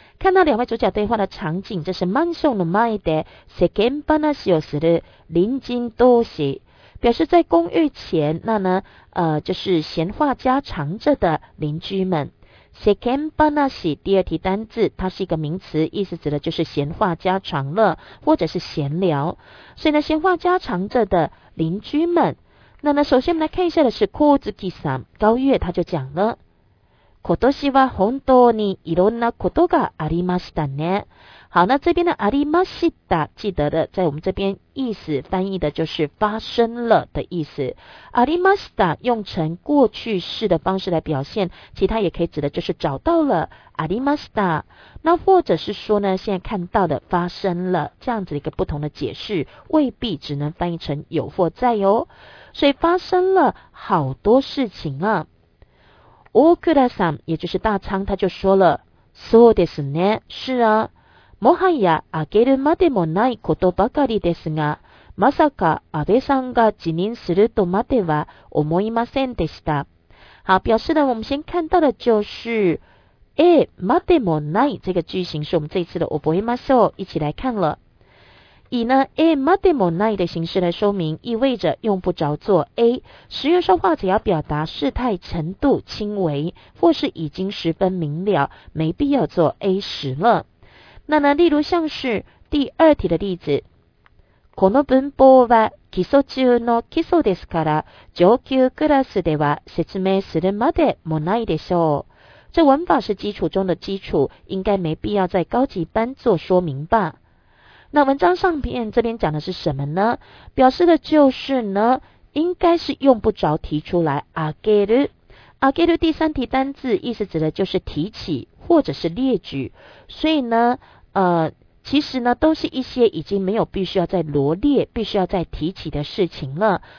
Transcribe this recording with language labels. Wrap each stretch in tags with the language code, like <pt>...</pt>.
<zh>看到两位主角对话的场景，这是</zh> <ja>マンションの前で世間話をする隣人同士，</ja> <zh>表示在公寓前，那呢，就是闲话家常着的邻居们。世間話第二题单字，它是一个名词，意思指的就是闲话家常了，或者是闲聊。所以呢，闲话家常着的邻居们。那呢，首先我们来看一下的是高月さん，高月他就讲了，</zh> <ja>今年は本当にいろんなことがありましたね。</ja> <zh>好，那这边的ありました，记得的，在我们这边意思翻译的就是发生了的意思。ありました用成过去式的方式来表现，其他也可以指的就是找到了ありました。那或者是说呢，现在看到的发生了，这样子一个不同的解释，未必只能翻译成有或在哦。所以发生了好多事情啊。大倉さん，也就是大仓，他就说了，</zh> <ja>そうですね，</ja> <zh>是啊。</zh> <ja>もはやあげるまでもないことばかりですが、まさか安倍さんが辞任するとまでは思いませんでした。</ja> <zh>好，表示呢，我们先看到的就是，までもない这个句型是我们这一次的覚えましょう，一起来看了。以呢までもない的形式来说明，意味着用不着做 A。实用上话只要表达事态程度轻微，或是已经十分明了，没必要做 A 时了。那呢，例如像是第二题的例子，</zh> <ja>この文法は基礎中の基礎ですから、上級クラスでは説明するまでもないでしょう。</ja> <zh>这文法是基础中的基础，应该没必要在高级班做说明吧。那文章上面这边讲的是什么呢？表示的就是呢，应该是用不着提出来。あげる，あげる第三题单字，意思指的就是提起或者是列举，所以呢，其实呢，都是一些已经没有必须要再罗列、必须要再提起的事情了。</zh>